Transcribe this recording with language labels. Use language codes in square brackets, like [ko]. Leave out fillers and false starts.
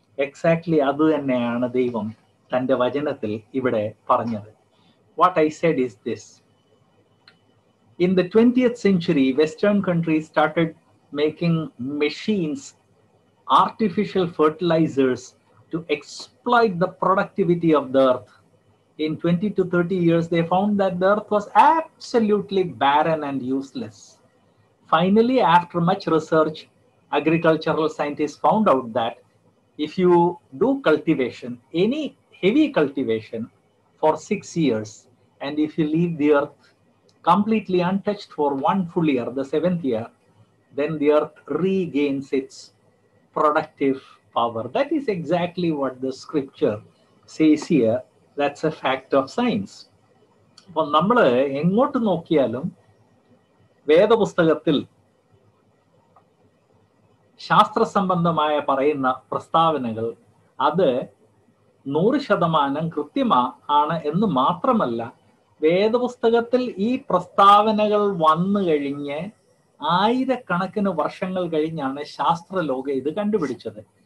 [ml] Exactly അത് തന്നെയാണ് ദൈവം തന്റെ വചനത്തിൽ ഇവിടെ പറഞ്ഞത്. [en] What I said is this: in the 20th century, western countries started making machines artificial fertilisers to exploit the productivity of the earth. In 20 to 30 years, they found that the earth was absolutely barren and useless. Finally, after much research, agricultural scientists found out that if you do cultivation, any heavy cultivation for 6 years, and if you leave the earth completely untouched for one full year, the seventh year, then the earth regains its productive power. That is exactly what the scripture says here. That's a fact of science. [ml] അപ്പൊ നമ്മള് എങ്ങോട്ട് നോക്കിയാലും വേദപുസ്തകത്തിൽ ശാസ്ത്ര സംബന്ധമായ പറയുന്ന പ്രസ്താവനകൾ അത് 100% കൃത്യമാണ് എന്ന് മാത്രമല്ല, വേദപുസ്തകത്തിൽ ഈ പ്രസ്താവനകൾ വന്നു കഴിഞ്ഞ് ആയിരക്കണക്കിന് വർഷങ്ങൾ കഴിഞ്ഞാണ് ശാസ്ത്രലോകം ഇത് കണ്ടുപിടിച്ചത്.